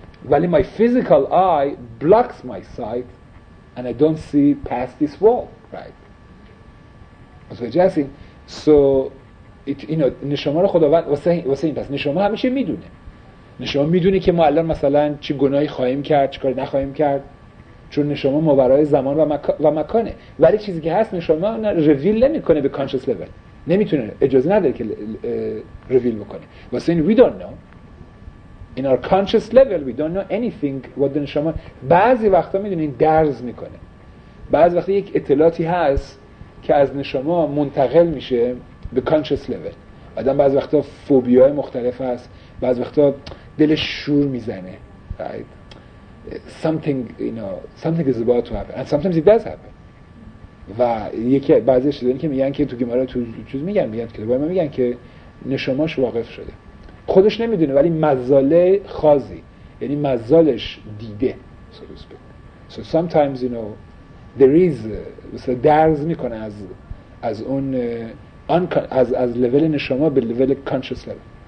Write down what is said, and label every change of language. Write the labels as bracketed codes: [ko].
[en] ولی my physical eye blocks my sight and I don't see past this wall, right? [fa] متوجهستین؟ So, you know, نشامه رو خداوند واسه این پس نشامه همیشه میدونه. نشامه میدونه که ما الان مثلا چی گناهی خواهیم کرد، چی کاری نخواهیم کرد چون نشامه مبرای زمان و مکانه. ولی چیزی که هست نشامه ریویل نمی کنه به conscious level. نمیتونه، اجازه نداره که ریویل بکنه. [en] واسه این we don't know. In our conscious level, we don't know anything what the neshama... [fa] بعضی وقتا میدونین درز میکنه. بعضی وقتا یک اطلاعاتی هست که از نشامه منتقل میشه به conscious level. آدم بعضی وقتا فوبیای مختلف هست. بعضی وقتا دلش شور میزنه. Right? [en] Something, you know, something is about to happen. And sometimes it does happen. [fa] و یکی بعضی شدنی که میگن که تو گمارا تو چیز میگن، میگن که باید ما میگن که نشاماش واقف شده. خودش نمیدونه ولی مزاله خازی یعنی مزالش دیده so sometimes you know there is مثلا درز میکنه از اون از لول نشما به لول conscious level.